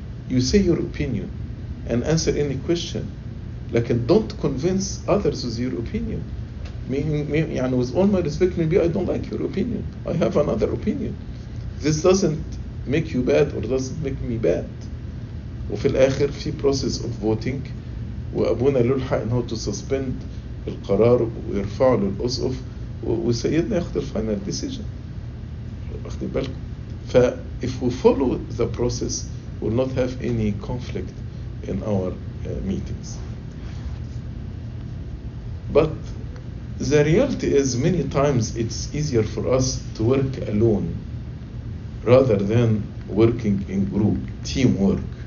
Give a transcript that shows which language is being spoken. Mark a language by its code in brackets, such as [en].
[en] You say your opinion and answer any question, like don't convince others with your opinion. Meaning, with all my respect, maybe I don't like your opinion. I have another opinion. This doesn't make you bad or doesn't make me bad. [ar] وفي الآخر في [en] process of voting. [ar] وأبونا للحق إنه [en] to suspend [ar] القرار ويرفعه للأسقف وسيدنا يأخذ [en] final decision. [ar] أخذ بالكم. [en] ف if we follow the process, we'll not have any conflict in our meetings. But the reality is many times it's easier for us to work alone rather than working in group, teamwork.